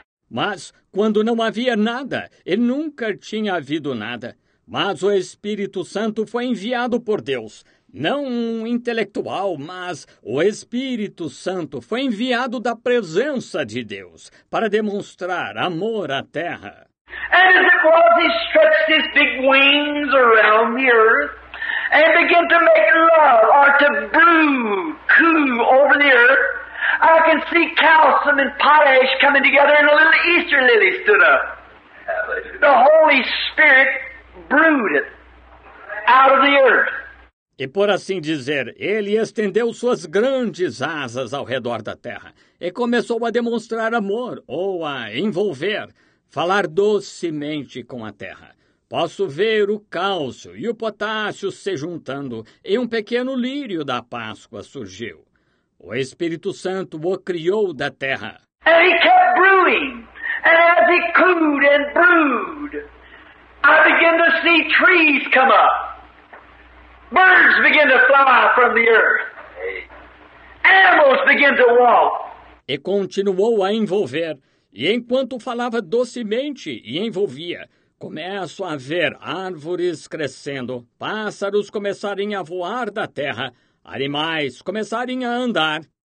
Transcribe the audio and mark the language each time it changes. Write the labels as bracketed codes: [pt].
[pt] Mas quando não havia nada, e nunca tinha havido nada, mas o Espírito Santo foi enviado por Deus. Não um intelectual, mas o Espírito Santo foi enviado da presença de Deus para demonstrar amor à terra. [en] And as it was, he stretched his big wings around the earth and began to make love, or to brew, coo over the earth. I can see calcium and potash coming together, and a little Easter lily stood up. The Holy Spirit brewed it out of the earth. [pt] E por assim dizer, ele estendeu suas grandes asas ao redor da terra e começou a demonstrar amor, ou a envolver, falar docemente com a terra. Posso ver o cálcio e o potássio se juntando e um pequeno lírio da Páscoa surgiu. O Espírito Santo o criou da terra. [en] And he kept brewing. And as he cooed and brewed, I began to see trees come up. Birds began to fly from the earth. Animals began to walk. [pt] E continuou a envolver. E enquanto falava docemente e envolvia, começo a ver árvores crescendo, pássaros começarem a voar da terra, animais começarem a andar.